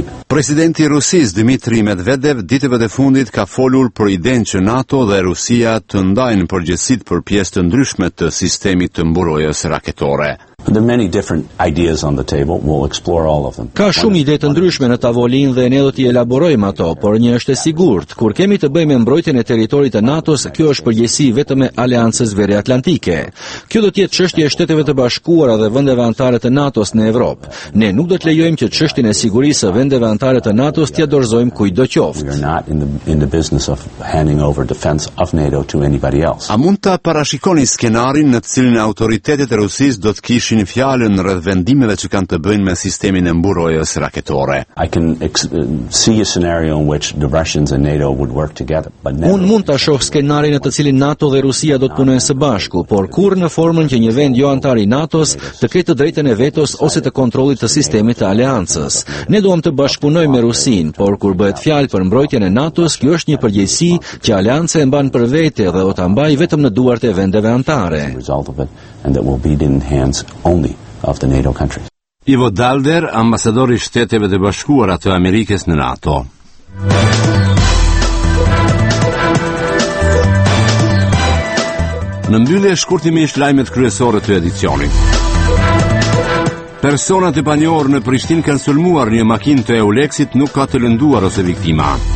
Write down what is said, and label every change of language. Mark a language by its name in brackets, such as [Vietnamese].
[Albanian] Presidenti i Rusisë Dmitri Medvedev ditëve të fundit ka folur për idenë që NATO dhe Rusia të ndajnë përgjegjësitë për pjesë të ndryshme të sistemit të mbrojtjes raketore. [English] There are many different ideas on the table. We'll explore all of them. [Albanian] Ka shumë ide të ndryshme në tavolinë dhe ne do t'i elaborojmë ato, por një është e sigurt, kur kemi të bëjmë mbrojtjen e territorit të NATO-s, kjo është përgjegjësi vetëm e Aleancës Veri Atlantike. Kjo do të jetë çështje e Shteteve të Bashkuara dhe vendeve anëtare të NATO-s në Evropë. Ne nuk do të lejojmë që çështjen e sigurisë së vendeve anëtare të NATO-s t'ia dorëzojmë kujdo qoftë. [English] We are not in the business of handing over defense of NATO to anybody else. [Albanian] A mund ta parashikoni skenarin në të cilin autoritetet e Rusisë do të kishin në fjalën rreth vendimeve që kanë të bëjnë me sistemin e mbrojtjes raketore. [English] I can see a scenario in which the Russians and NATO would work together, but never. [Albanian] Un mund ta shoh skenarin në të cilin NATO dhe Rusia do të punojnë së bashku, por kur në formën që një vend jo anëtar i NATO-s të ketë të drejtën e vetos ose të kontrollit të sistemit të aleancës. Ne duam të bashkëpunojmë me Rusinë, por kur bëhet fjalë për mbrojtjen e NATO-s, kjo është një përgjegjësi që aleanca e mban për vete dhe do ta mbajë vetëm në duart e vendeve anëtare. [English] And that will be in the hands only of the NATO countries. [Albanian] Ivo Dalder, ambasador i Shteteve të Bashkuara të Amerikës në NATO. Në mbyllje shkurtimisht lajmet kryesore të edicionit. Personat e panjohur në Prishtinë kanë sulmuar një makinë të Eulexit, nuk ka të lënduar ose viktima.